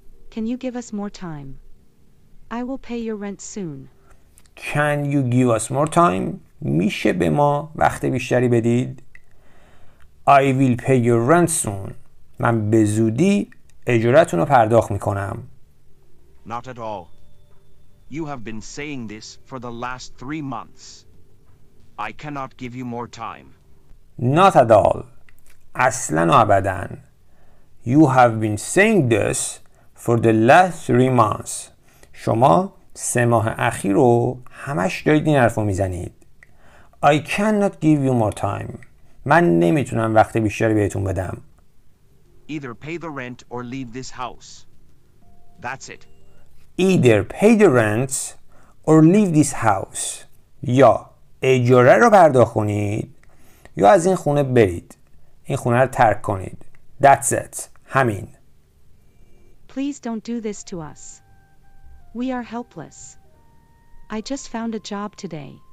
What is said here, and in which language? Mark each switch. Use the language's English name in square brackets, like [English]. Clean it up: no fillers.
[English] Can you give us more time? I will pay your rent soon. Can you give us more time? [Persian] میشه به ما وقت بیشتری بدید؟ [English] I will pay your rent soon. [Persian] من به زودی اجارتون رو پرداخت میکنم. [English] Not at all. You have been saying this for the last 3 months. I cannot give you more time. Not at all. [Persian] اصلا و ابدا. [English] You have been saying this for the last 3 months. [Persian] شما 3 ماه اخیر رو همش دارید این حرف رو میزنید. [English] I cannot give you more time. [Persian] من نمیتونم وقت بیشتری بهتون بدم. [English] Either pay the rent or leave this house. That's it. Either pay the rent or leave this house. [Persian] یا اجاره رو پرداخت کنید یا از این خونه برید. این خونه رو ترک کنید. [English] That's it. [Persian] همین. [English] Please don't do this to us. We are helpless. I just found a job today.